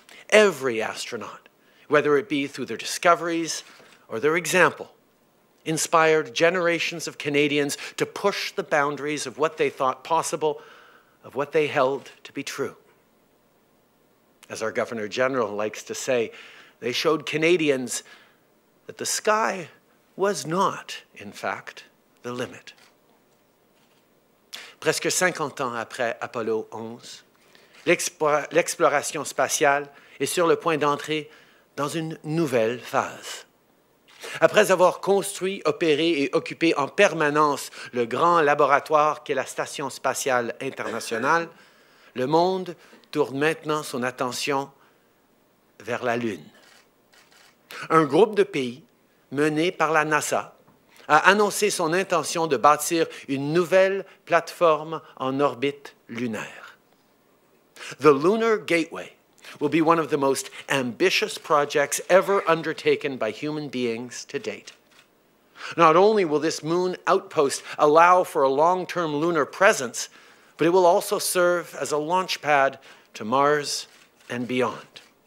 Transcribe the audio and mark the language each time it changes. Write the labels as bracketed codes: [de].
[en] Every astronaut, whether it be through their discoveries or their example, inspired generations of Canadians to push the boundaries of what they thought possible, of what they held to be true. As our Governor General likes to say, they showed Canadians that the sky was not, in fact, the limit. [fr] Presque 50 ans après Apollo 11, l'exploration spatiale est sur le point d'entrer dans une nouvelle phase. Après avoir construit, opéré et occupé en permanence le grand laboratoire qu'est la Station spatiale internationale, le monde tourne maintenant son attention vers la Lune. Un groupe de pays menée par la NASA, a annoncé son intention de bâtir une nouvelle plateforme en orbite lunaire. [en] The Lunar Gateway will be one of the most ambitious projects ever undertaken by human beings to date. Not only will this moon outpost allow for a long-term lunar presence, but it will also serve as a launch pad to Mars and beyond.